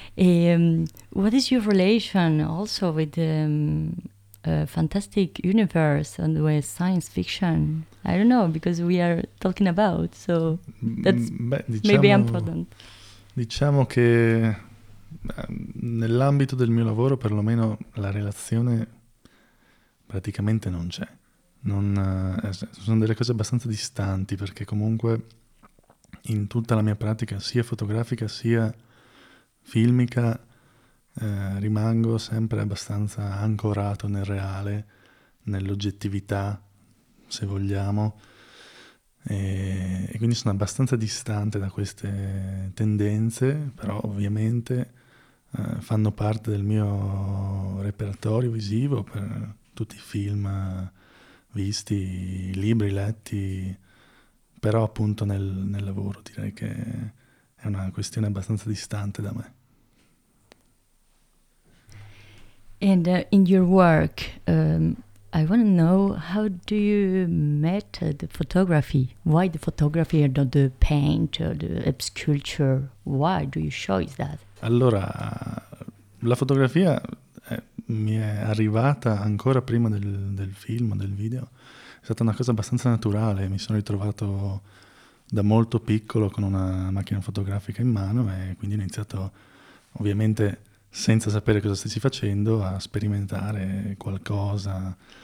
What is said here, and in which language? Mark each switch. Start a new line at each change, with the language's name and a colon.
English: And what is your relation also with the fantastic universe and with science fiction? I don't know, because we are talking about, so that's maybe important.
Italian: Diciamo che nell'ambito del mio lavoro, perlomeno, la relazione praticamente non c'è. Sono delle cose abbastanza distanti, perché comunque in tutta la mia pratica, sia fotografica sia filmica, rimango sempre abbastanza ancorato nel reale, nell'oggettività, se vogliamo, e quindi sono abbastanza distante da queste tendenze, però ovviamente fanno parte del mio repertorio visivo per tutti i film visti, libri letti, però appunto nel lavoro direi che è una questione abbastanza distante da me.
English: And in your work, I want to know, how do you meet the photography? Why the photography and not the paint or the sculpture? Why do you choose that?
Italian: Allora, la fotografia mi è arrivata ancora prima del film, del video. È stata una cosa abbastanza naturale. Mi sono ritrovato da molto piccolo con una macchina fotografica in mano e quindi ho iniziato, ovviamente, senza sapere cosa stessi facendo, a sperimentare qualcosa.